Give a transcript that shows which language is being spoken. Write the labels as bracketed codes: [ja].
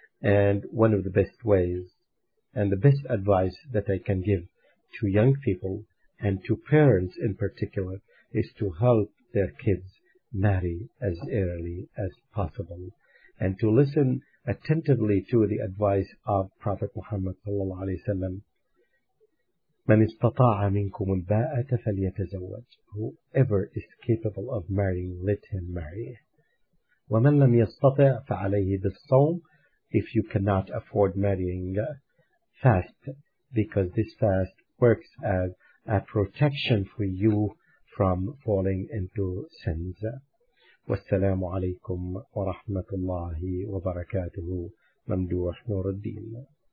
[en] And one of the best ways and the best advice that I can give to young people and to parents in particular is to help their kids marry as early as possible and to listen attentively to the advice of Prophet Muhammad sallallahu alayhi wa sallam. [ar] من استطاع منكم الباءة فليتزوج. [en] Whoever is capable of marrying, let him marry. [ar] ومن لم يستطع فعليه بالصوم. [en] If you cannot afford marrying, fast, because this fast works as a protection for you from falling into sins. [ar] والسلام عليكم ورحمة الله وبركاته. ممدوح نور الدين.